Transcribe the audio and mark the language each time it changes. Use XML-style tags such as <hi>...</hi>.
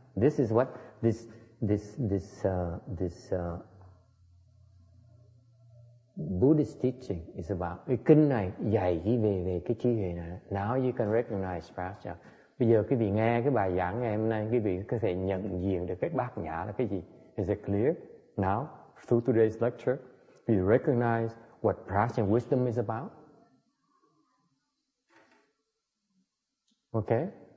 <en>This is what this Buddhist teaching is about.</en> <vi>Cái kinh này dạy về cái trí huệ này.</vi> <en>Now you can recognize prajna.</en> <vi>Bây giờ quý vị nghe cái bài giảng ngày hôm nay, quý vị có thể nhận diện được cái bát nhã là cái gì.</vi> <en>Is it clear? Now, through today's lecture, we recognize what prajna wisdom is about. Okay?</en>